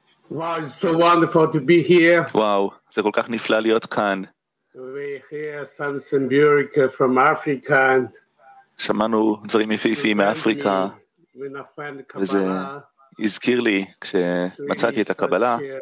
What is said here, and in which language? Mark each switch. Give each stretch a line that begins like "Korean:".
English: Wow, it's so wonderful to be here.
Hebrew: וואו, זה כל כך נפלא להיות כאן.
English: We hear Samson Burica from Africa.
Hebrew: שמענו דברים מפיפיים מאפריקה. וזה הזכיר לי כשמצאתי את הקבלה.